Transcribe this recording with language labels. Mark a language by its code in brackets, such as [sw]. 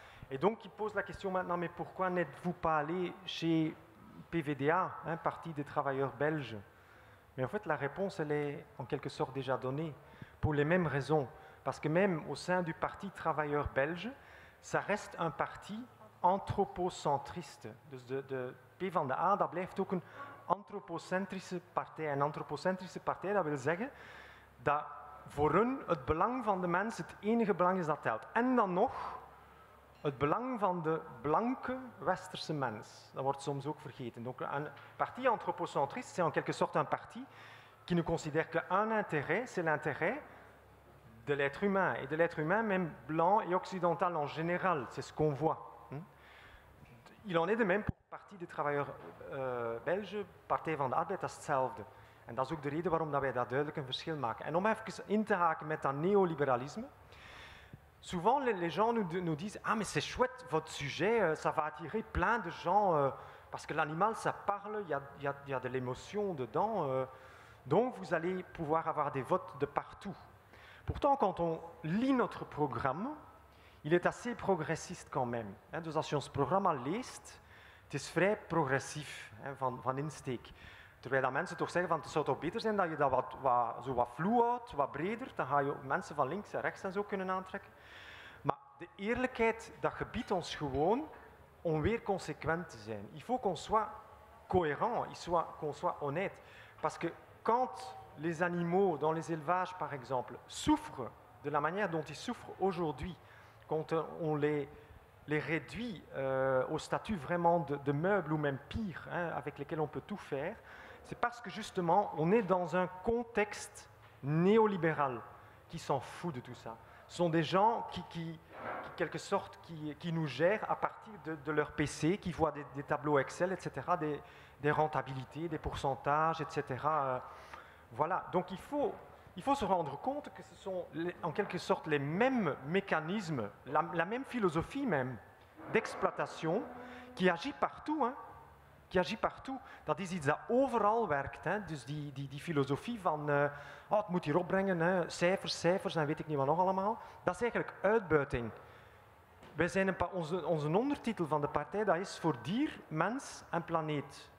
[fr] Et donc, il pose la question maintenant, mais pourquoi n'êtes-vous pas allé chez PVDA, hein, Parti des travailleurs belges? Mais en fait, la réponse, elle est en quelque sorte déjà donnée, pour les mêmes raisons. Parce que même au sein du Parti travailleurs belges, ça reste un parti anthropocentriste. [nl] Dus de PvdA, dat blijft ook een anthropocentrische partij. Een anthropocentrische partij, dat wil zeggen dat voor hun het belang van de mens het enige belang is dat telt. En dan nog het belang van de blanke westerse mens. Dat wordt soms ook vergeten. [fr] Donc, een parti anthropocentriste, c'est en quelque sorte un parti qui ne considère qu'un intérêt, c'est l'intérêt de l'être humain. Et de l'être humain, même blanc et occidental en général, c'est ce qu'on voit. Il en est de même pour le Parti des travailleurs belges, Partij van de Arbeid, [nl] dat is hetzelfde. En dat is ook de reden waarom wij daar duidelijk een verschil maken. En om even in te haken met dat néolibéralisme, [fr] souvent les gens nous disent, ah mais c'est chouette votre sujet, ça va attirer plein de gens, parce que l'animal ça parle, il y a de l'émotion dedans, donc vous allez pouvoir avoir des votes de partout. Pourtant quand on lit notre programme, il est assez progressiste quand même. [nl] Dus als je ons programma leest, het is vrij progressief van insteek. Terwijl dat mensen toch zeggen, van, het zou toch beter zijn dat je dat wat vloe houdt, wat breder, dan ga je mensen van links en rechts en zo kunnen aantrekken. Maar de eerlijkheid, dat gebiedt ons gewoon om weer consequent te zijn. [fr] Il faut qu'on soit cohérent, qu'on soit honnête. Parce que quand les animaux dans les élevages, par exemple, souffrent de la manière dont ils souffrent aujourd'hui, quand on les réduit au statut vraiment de meubles ou même pire, hein, avec lesquels on peut tout faire, c'est parce que justement, on est dans un contexte néolibéral qui s'en fout de tout ça. Ce sont des gens qui nous gèrent à partir de leur PC, qui voient des tableaux Excel, etc., des rentabilités, des pourcentages, etc. Voilà, donc il faut se rendre compte que ce sont en quelque sorte les mêmes mécanismes, la même philosophie même d'exploitation qui agit partout, hein, qui agit partout. [nl] Dat is iets dat overal werkt, hein, dus die philosophie van het moet hier opbrengen, hein, cijfers, dan weet ik niet wat nog allemaal. Dat is eigenlijk uitbuiting. Wij zijn onze ondertitel van de partij, dat is voor dier, mens en planeet.